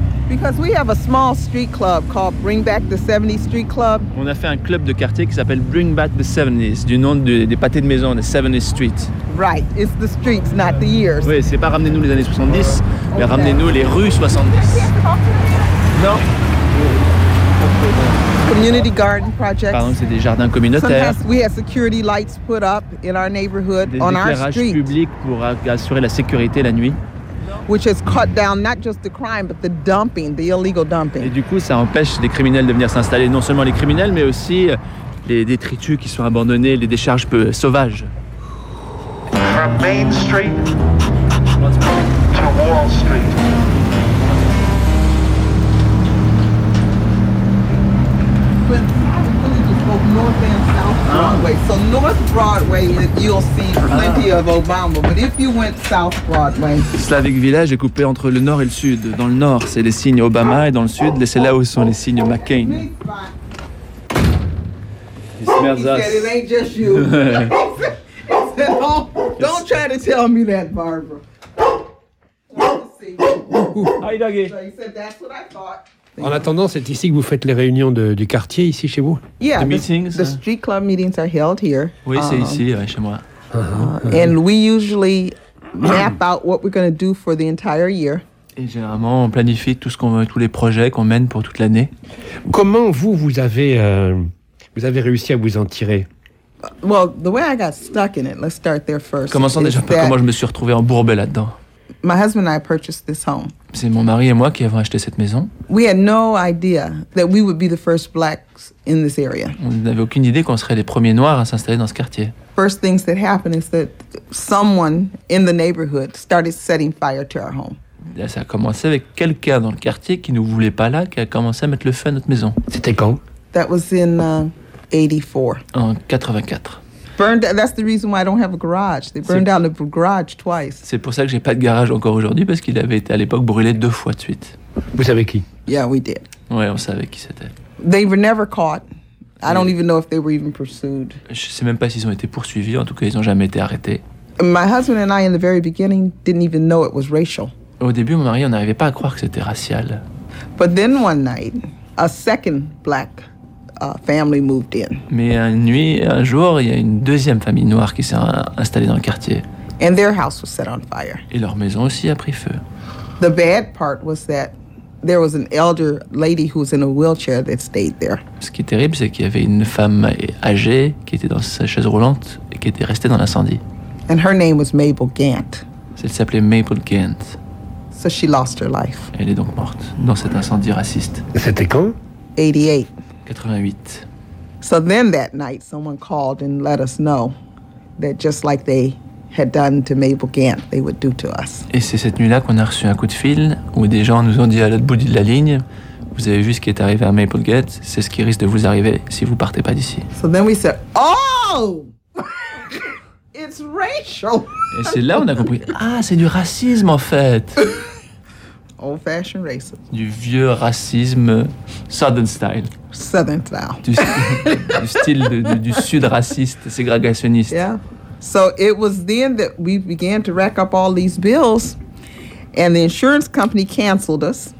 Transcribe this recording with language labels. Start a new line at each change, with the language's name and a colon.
English: Because we have a small street club called Bring Back the 70s Street Club.
French: On a fait un club de quartier qui s'appelle Bring Back the 70s, du nom des pâtés de maison, des 70s Street.
English: Right, it's the streets, not the years.
French: Oui, c'est pas ramenez-nous les années 70, mais okay. Ramenez-nous les rues 70. Non.
English: Community garden projects.
French: Pardon, c'est des jardins communautaires.
English: Sometimes we have security lights put up in our neighborhood, on our street.
French: Des éclairages publics pour assurer la sécurité la nuit.
English: Which has cut down not just the crime, but the dumping, the illegal dumping.
French: Et du coup, ça empêche les criminels de venir s'installer, non seulement les criminels, mais aussi les détritus qui sont abandonnés, les décharges peu sauvages.
English: From Main Street to Wall Street. So North Broadway, you'll see plenty of Obama. But if you went South Broadway,
French: Slavic Village est coupé entre le nord et le sud. Dans le nord, c'est les signes Obama, et dans le sud, c'est là où sont les signes McCain.
English: It's Merzas. He said it ain't just you. He said, oh, don't try to tell me that, Barbara. Hi, Dougie. So he said that's what I thought.
French: En attendant, c'est ici que vous faites les réunions du quartier, ici chez vous?
English: Yeah, meetings, the street club meetings are held here.
French: Oui, c'est ici, ouais, chez moi.
English: And we usually map out what we're going to do for the entire year.
French: Et généralement, on planifie tout ce qu'on veut, tous les projets qu'on mène pour toute l'année. Comment vous avez réussi à vous en tirer?
English: Well, the way I got stuck in it, let's start there first.
French: Commençons déjà par comment je me suis retrouvé embourbé là-dedans.
English: My husband and I purchased this home.
French: C'est mon mari et moi qui avons acheté cette maison.
English: We had no idea that we would be the first blacks in this area.
French: On n'avait aucune idée qu'on serait les premiers noirs à s'installer dans ce quartier.
English: First things that happened is that someone in the neighborhood started setting fire to our home.
French: Là, ça a commencé avec quelqu'un dans le quartier qui ne voulait pas là, qui a commencé à mettre le feu à notre maison. C'était quand?
English: That was in 84.
French: En 84.
English: Burned, that's the reason why I don't have a garage. They burned down the garage twice.
French: C'est pour ça que j'ai pas de garage encore aujourd'hui parce qu'il avait été à l'époque brûlé deux fois de suite. Vous savez qui?
English: Yeah, we did.
French: Ouais, on savait qui c'était.
English: They were never caught. I don't even know if they were even pursued.
French: Je sais même pas s'ils ont été poursuivis. En tout cas, ils ont jamais été arrêtés.
English: My husband and I, in the very beginning, didn't even know it was racial.
French: Au début, mon mari, on n'arrivait pas à croire que c'était racial.
English: But then one night, a second black family moved in.
French: Mais un jour, il y a une deuxième famille noire qui s'est installée dans le quartier.
English: And their house was set on fire.
French: Et leur maison aussi a pris feu.
English: The bad part was that there was an elder lady who was in a wheelchair that stayed there.
French: Ce qui est terrible, c'est qu'il y avait une femme âgée qui était dans sa chaise roulante et qui était restée dans l'incendie.
English: And her name was Mabel Gant.
French: Elle s'appelait Mabel Gant.
English: So she lost her life.
French: Elle est donc morte dans cet incendie raciste. C'était quand?
English: 88. So then that night, someone called and let us know that just like they had done to Mabel Gantt they would do to us.
French: Et c'est cette nuit-là qu'on a reçu un coup de fil où des gens nous ont dit à l'autre bout de la ligne, vous avez vu ce qui est arrivé à Mabel Gantt, c'est ce qui risque de vous arriver si vous partez pas d'ici.
English: So then we said, oh, it's racial.
French: Et c'est là où on a compris, ah, c'est du racisme en fait.
English: Old-fashioned racism.
French: Du vieux racisme
English: Southern style. Southern style.
French: Du style du sud raciste, ségrégationniste.
English: Yeah. So it was then that we began to rack up all these bills, and the insurance company canceled us.